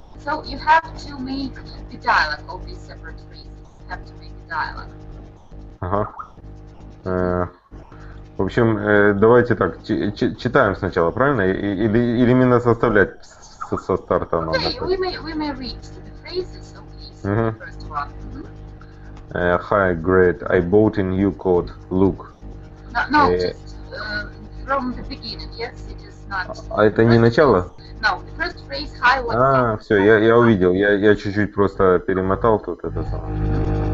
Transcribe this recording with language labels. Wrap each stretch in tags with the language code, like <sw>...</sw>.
<en>So, you have to make the dialogue of these separate phrases. You have to make the dialogue.</en> <ru>Ага. В общем, давайте так, читаем сначала, правильно? Или именно составлять со старта</ru> <en>okay,</en> <ru>надо?</ru> <en>Okay, we may read the phrases of these first one. Mm-hmm. Hi, great, I bought a new coat, look. No, just from the beginning, yes, it is not.</en> <ru>А это не начало?</ru> <en>No, the first phrase, hi, what's up?</en> <ru>Все, я увидел, я чуть-чуть просто перемотал тут это самое.</ru>